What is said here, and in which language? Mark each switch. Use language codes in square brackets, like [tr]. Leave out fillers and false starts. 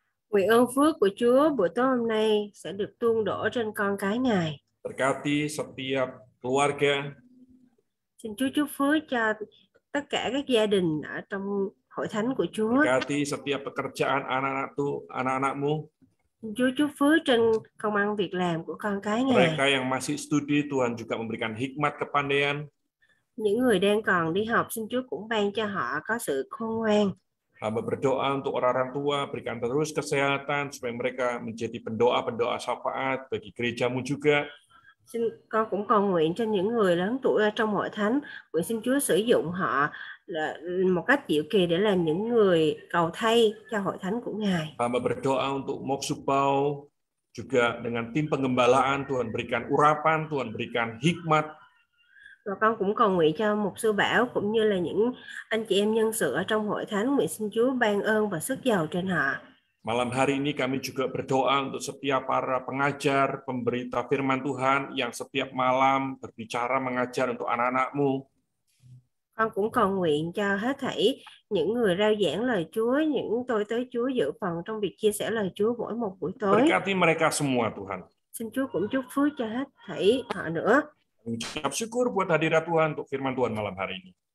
[vi] Nguyện ơn phước của Chúa buổi tối hôm nay sẽ được tuôn đổ trên con cái Ngài. [id] Berkati setiap keluarga. [vi] Xin Chúa chúc phước cho tất cả các gia đình ở trong hội thánh của Chúa. [id] Berkati setiap pekerjaan anak-anakmu. [vi] Xin Chúa chúc phước trên công ăn việc làm của con cái Ngài. [id] Mereka yang masih studi, Tuhan juga memberikan hikmat kepandaian. [vi] Những người đang còn đi học, xin Chúa cũng ban cho họ có sự khôn ngoan. [id] Hamba berdoa untuk orang-orang tua, berikan terus kesehatan supaya mereka menjadi pendoa-pendoa syafaat bagi gerejamu juga. [vi] Xin con cũng cầu nguyện cho những người lớn tuổi trong hội thánh, nguyện xin Chúa sử dụng họ là một cách diệu kỳ để làm những người cầu thay cho hội thánh của Ngài. [id] Hamba berdoa untuk Moksupau juga dengan tim pengembalaan, Tuhan berikan urapan, Tuhan berikan hikmat. [vi] Và con cũng cầu nguyện cho Mục sư Bảo cũng như là những anh chị em nhân sự ở trong hội thánh, nguyện xin Chúa ban ơn và sức giàu trên họ. [id] Malam hari ini kami juga berdoa untuk setiap para pengajar, pemberita firman Tuhan yang setiap malam berbicara mengajar untuk anak-anakmu. [vi] Con cũng cầu nguyện cho hết thảy những người rao giảng lời Chúa, những tôi tới Chúa dự phần trong việc chia sẻ lời Chúa mỗi một buổi tối. [id] Berkati mereka semua, Tuhan. [vi] Xin Chúa cũng chúc phước cho hết thảy họ nữa. [id] Mengucap syukur buat hadirat Tuhan untuk firman Tuhan malam hari ini.